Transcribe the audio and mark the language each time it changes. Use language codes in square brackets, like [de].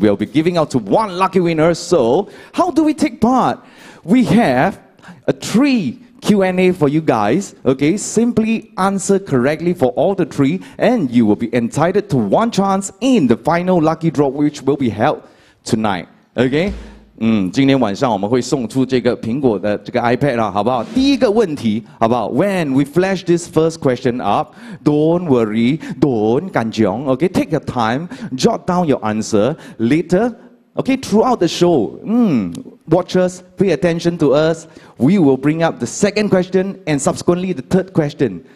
[en] We'll be giving out to one lucky winner. So, how do we take part? We have a 3 Q&A for you guys. Okay, simply answer correctly for all the 3, and you will be entitled to one chance in the final lucky draw, which will be held tonight. Okay? [zh] 今天晚上我们会送出这个苹果的这个iPad啦，好不好？第一个问题，好不好？ [en] When we flash this first question up, don't worry, don't [zh] 感觉, [en] okay? Take your time, jot down your answer. Later, okay, throughout the show, watch us, pay attention to us. We will bring up the second question and subsequently the third question.